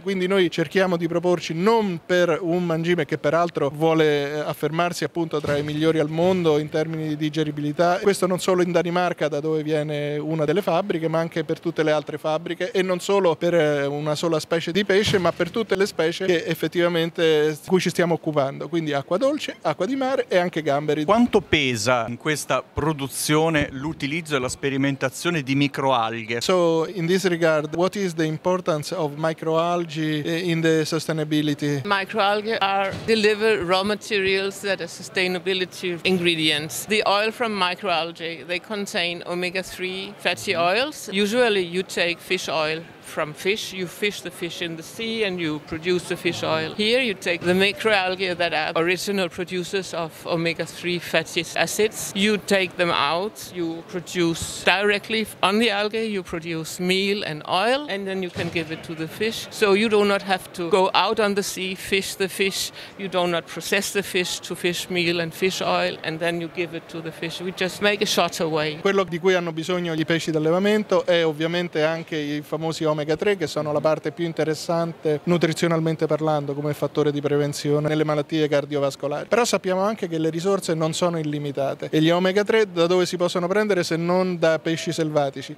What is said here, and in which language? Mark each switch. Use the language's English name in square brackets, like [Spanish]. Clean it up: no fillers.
[Italian] Quindi noi cerchiamo di proporci non per un mangime che peraltro vuole affermarsi appunto tra i migliori al mondo in termini di digeribilità, questo non solo in Danimarca, da dove viene una delle fabbriche, ma anche per tutte le altre fabbriche, e non solo per una sola specie di pesce, ma per tutte le specie che effettivamente cui ci stiamo occupando, quindi acqua dolce, acqua di mare e anche gamberi. Quanto pesa in questa produzione l'utilizzo e la sperimentazione di microalghe? [English] So in this regard, what is the importance of microalgae in the sustainability? Microalgae are deliver raw materials that are sustainability ingredients. The oil from microalgae, they contain omega-3 fatty oils. Usually you take fish oil from fish, you fish the fish in the sea and you produce the fish oil. Here you take the microalgae that are original producers of omega-3 fatty acids, you take them out, you produce directly on the algae, you produce meal and oil, and then you can give it to the fish. So you do not have to go out on the sea, fish the fish, you do not process the fish to fish meal and fish oil, and then you give it to the fish. We just make a shorter way. [Italian] Quello di cui hanno bisogno i pesci d'allevamento è ovviamente anche i famosi omega 3, che sono la parte più interessante nutrizionalmente parlando come fattore di prevenzione nelle malattie cardiovascolari. Però sappiamo anche che le risorse non sono illimitate, e gli omega 3 da dove si possono prendere se non da pesci selvatici?